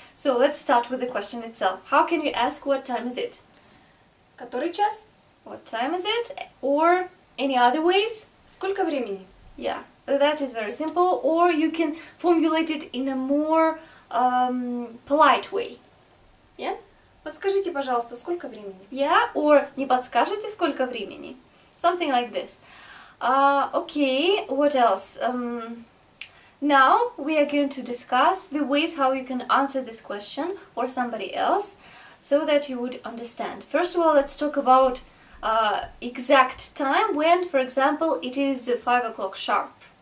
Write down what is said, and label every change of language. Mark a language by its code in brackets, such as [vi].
[en] So, let's start with the question itself. How can you ask what time is it? [ru] Который час? [en] What time is it? Or any other ways? [ru] Сколько времени? [en] Yeah, that is very simple. Or you can formulate it in a more polite way. Yeah? [ru] Подскажите, пожалуйста, сколько времени? [en] Yeah, or [ru] не подскажете, сколько времени? [en] Something like this. Okay, what else? Now we are going to discuss the ways how you can answer this question or somebody else so that you would understand. First of all, let's talk about exact time when, for example, it is 5 o'clock sharp.